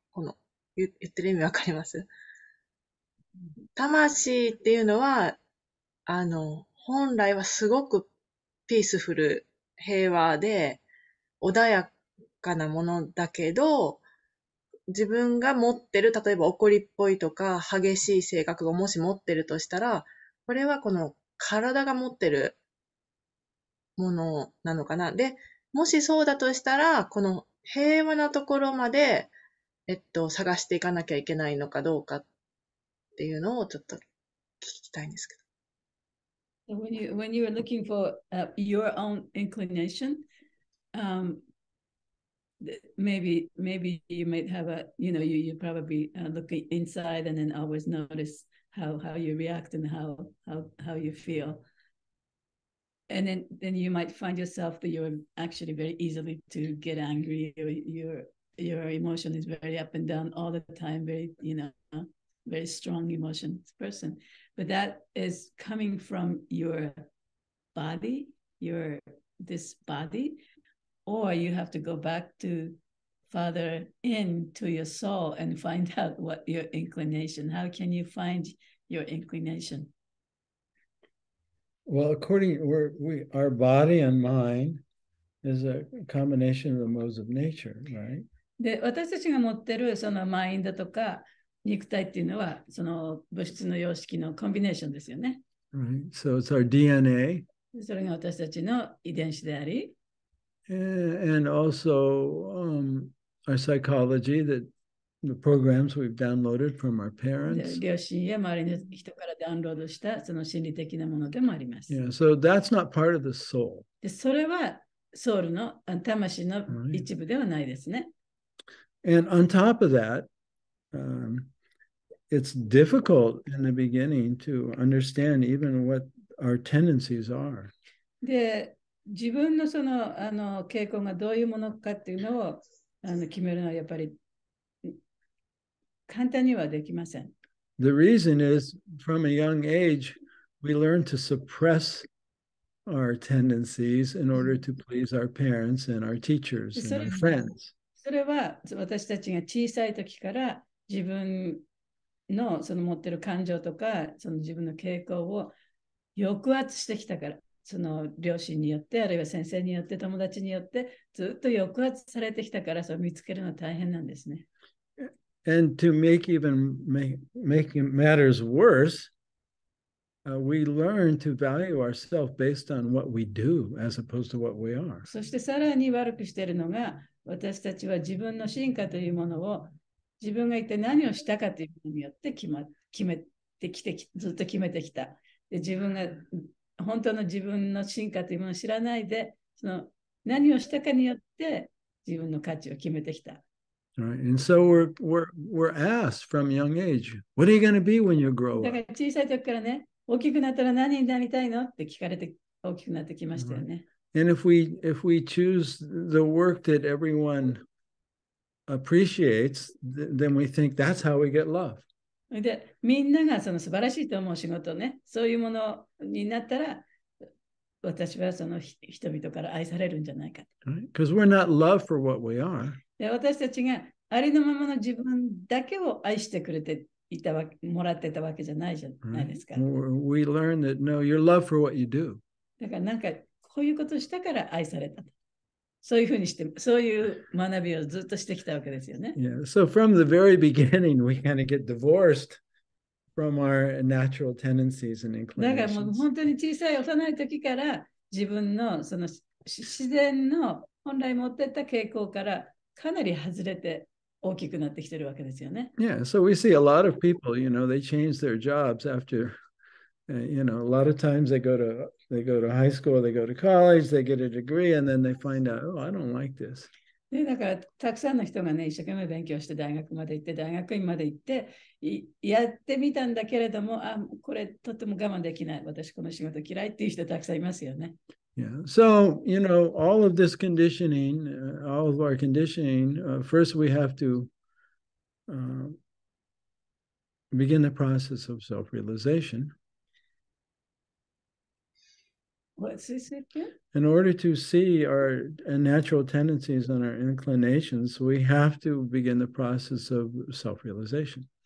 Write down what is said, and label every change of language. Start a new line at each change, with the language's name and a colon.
Japanese: この言ってる意味わかります？魂っていうのは、本来はすごくピースフル、平和で、穏やかなものだけど、自分が持ってる、例えば怒りっぽいとか、激しい性格をもし持ってるとしたら、これはこの体が持ってるものなのかな。で、もしそうだとしたら、この平和なところまで、探していかなきゃいけないのかどうかっていうのをちょっと聞きたいんですけど。
English: When you are looking for your own inclination, maybe you might have a, you know, you probably look inside and then always notice how you react and how you feel. And then you might find yourself that you're actually very easily to get angry, or your emotion is very up and down all the time, very, you know, very strong emotions person. But that is coming from your body, this body, or you have to go back to farther into your soul and find out what your inclination. How can you find your inclination? Well, according to our body and mind is a combination of the modes of nature, right?
Japanese: で、私たちが持ってるそのマインドとか肉体っていうのは、その物質の様式のコンビネーションですよね。
English: Right. So it's our DNA.
Japanese: それが私たちの遺伝子であり。
English: And also, our psychology, that the programs we've downloaded from our parents.
Japanese: 両親や周りの人からダウンロードしたその心理的なものでもあります。
English: Yeah, so that's not part of the soul.
Japanese: で、それはソウルの、魂の一部ではないですね。
English: And on top of that, it's difficult in the beginning to understand even what our tendencies are.
Japanese: で、自分のその、傾向がどういうものかっていうのを決めるのはやっぱり簡単にはできません。
English: The reason is, from a young age, we learn to suppress our tendencies in order to please our parents and our teachers and our friends.
Japanese: それは私たちが小さい時から自分のその持ってる感情とかその自分の傾向を抑圧してきたから、その両親によって、あるいは先生によって、友達によって、ずっと抑圧されてきたから、それを見つけるのは大変なんですね。
English: And to make even make matters worse, we learn to value ourselves based on what we do as opposed to what we are.
Japanese: そしてさらに悪くしているのが、私たちは自分の進化というものを自分が一体何をしたかというものによって決めてきて、ずっと決めてきた。で、自分が本当の自分の進化というものを知らないで、その何をしたかによって自分の価値を決めてきた。
English: Right. And so we're asked from young age, what are you going to be when you grow up?
Japanese: だから小さい時からね、大きくなったら何になりたいのって聞かれて大きくなってきましたよね。
English: Right. And if we choose the work that everyone appreciates, then we think that's how we get love.
Japanese: で、みんながその素晴らしいと思う仕事ね、そういうものになったら、私はその人々から愛されるんじゃないか。
English: Because we're not loved for what we are.
Japanese: で、私たちがありのままの自分だけを愛してくれていたわけ、もらってたわけじゃないじゃないですか。
English: We learn that, no, you're loved for what you do.
Japanese: だからなんか、こういうことしたから愛された。そういうふうにして、そういう学びをずっとしてきたわけですよね。
English: Yeah, so from the very beginning, we kind of get divorced from our natural tendencies and inclinations.
Japanese: だからもう本当に小さい幼い時から自分のその自然の本来持ってた傾向からかなり外れて大きくなってきてるわけですよね。
English: Yeah, so we see a lot of people, you know, they change their jobs after, you know, a lot of times they go to high school, they go to college, they get a degree, and then they find out, oh, I don't like this.
Japanese: で、だからたくさんの人がね、一生懸命勉強して大学まで行って、大学院まで行って、やってみたんだけれども、あ、これとても我慢できない、私この仕事嫌いっていう人たくさんいますよね。
English: Yeah, so, you know, all of this conditioning, all of our conditioning, first we have to begin the process of self-realization. In order to see our natural tendencies and our inclinations, we have to begin the process of self-realization.